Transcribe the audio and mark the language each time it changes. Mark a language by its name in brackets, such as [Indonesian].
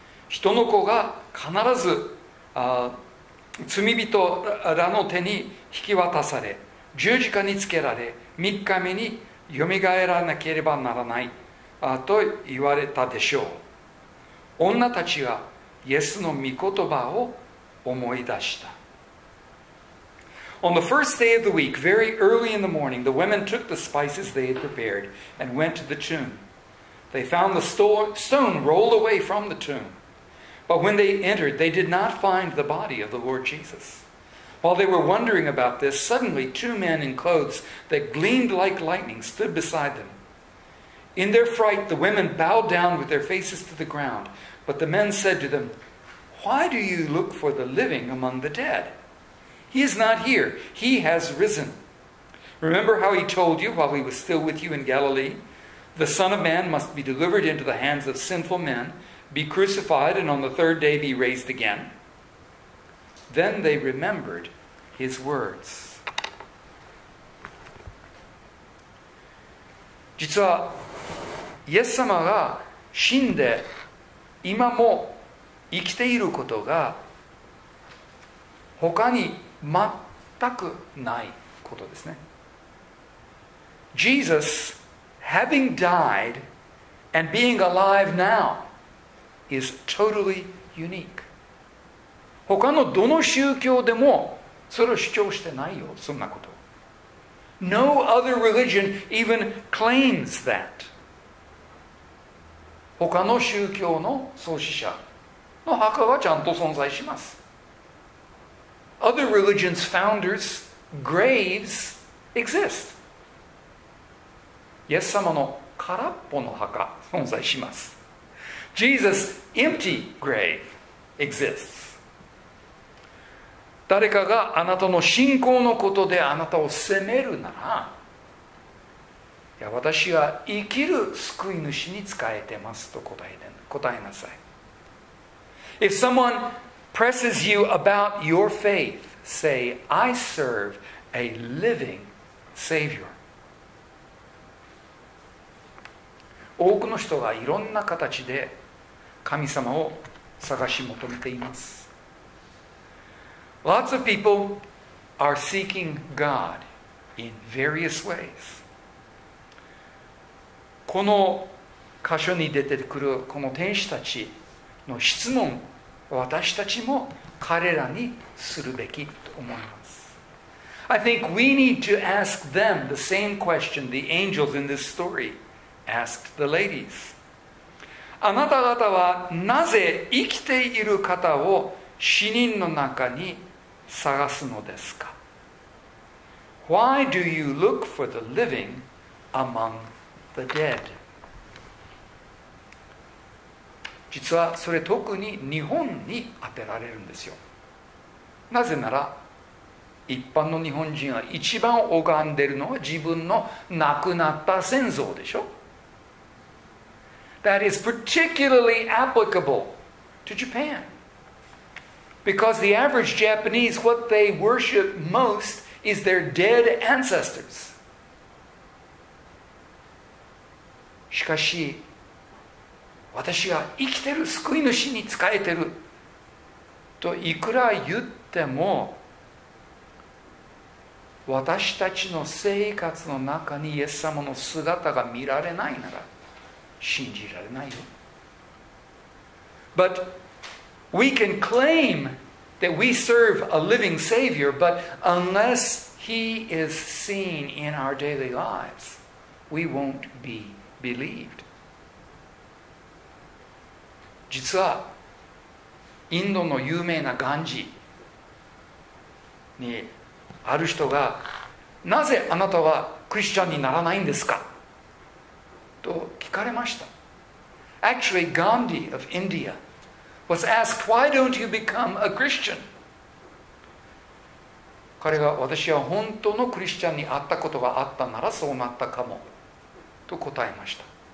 [Japanese] 人の子が必ず罪人らの手に引き渡され、十字架につけられ、三日目によみがえらなければならないと言われたでしょう。女たちはイエスの御言葉を思い出した。 [English] On the first day of the week, very early in the morning, the women took the spices they had prepared and went to the tomb. They found the stone rolled away from the tomb. But when they entered, they did not find the body of the Lord Jesus. While they were wondering about this, suddenly two men in clothes that gleamed like lightning stood beside them. In their fright, the women bowed down with their faces to the ground. But the men said to them, "Why do you look for the living among the dead? He is not here. He has risen. Remember how he told you while he was still with you in Galilee? The Son of Man must be delivered into the hands of sinful men, be crucified, and on the third day be raised again." Then they remembered his words. [Japanese] 実は、イエス様が死んで今も生きていることが他に全くないことですね。 [English] Jesus, having died and being alive now, is totally unique. [Japanese] 他のどの宗教でもそれを主張してないよ、そんなこと。 [English] No other religion even claims that. [Japanese] 他の宗教の創始者の墓はちゃんと存在します。 [English] Other religions' founders' graves exist. [Japanese] イエス様の空っぽの墓存在します。 [English] Jesus' empty grave exists. [Japanese] 誰かがあなたの信仰のことであなたを責めるなら、いや、私は生きる救い主に仕えてますと答えなさい。 [English] If someone presses you about your faith, say, "I serve a living Savior." [Japanese] 多くの人がいろんな形で神様を探し求めています。 [English] Lots of people are seeking God in various ways. [Japanese] この箇所に出てくるこの天使たちの質問、私たちも彼らにするべきと思います。 [English] I think we need to ask them the same question the angels in this story asked the ladies. [Japanese] あなた方はなぜ生きている方を死人の中に探すのですか? [English] Why do you look for the living among the dead? [Japanese] 実はそれ特に日本に当てられるんですよ。なぜなら一般の日本人は一番拝んでるのは自分の亡くなった先祖でしょ。 [English] That is particularly applicable to Japan. Because the average Japanese, what they worship most is their dead ancestors. [Japanese] しかし、私が生きてる救い主に仕えてるといくら言っても、私たちの生活の中にイエス様の姿が見られないなら、信じられないよ。 [English] But we can claim that we serve a living Savior, but unless He is seen in our daily lives, we won't be believed. [Japanese] 実はインドの有名なガンジにある人が、なぜあなたはクリスチャンにならないんですかと聞かれました。 [English] Actually, Gandhi of India was asked, why don't you become a Christian? [Japanese] 彼が、私は本当のクリスチャンに会ったことがあったならそうなったかもと答えました。